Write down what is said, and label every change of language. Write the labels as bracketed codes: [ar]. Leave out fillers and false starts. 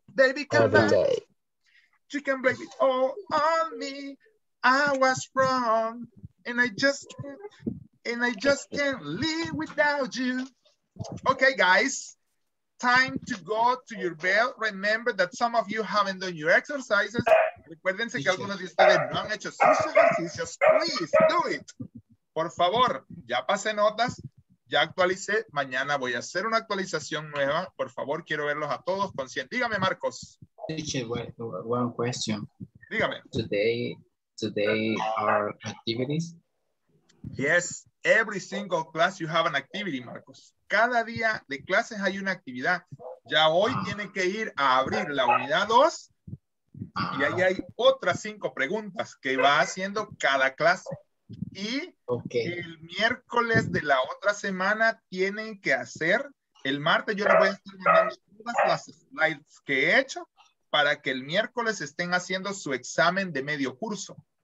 [en] Baby, come back. Day. You can blame it all on me. I was wrong. And I just can't live without you. Okay, guys, time to go to your bell. Remember that some of you haven't done your exercises. [es] Recuérdense que algunos de ustedes no han hecho sus ejercicios. [en] Please, do it. [es] Por favor, ya pasé notas, ya actualicé. Mañana voy a hacer una actualización nueva. Por favor, quiero verlos a todos conscientes. Dígame, Marcos. [en] Teacher, one question. [es] Dígame. [en] Today are activities? Yes, every single class you have an activity, Marcos. [es] Cada día de clases hay una actividad. Ya hoy tiene que ir a abrir la unidad 2 y ahí hay otras 5 preguntas que va haciendo cada clase. Y el miércoles de la otra semana tienen que hacer, el martes yo les voy a estar mandando todas las slides que he hecho para que el miércoles estén haciendo su examen de medio curso.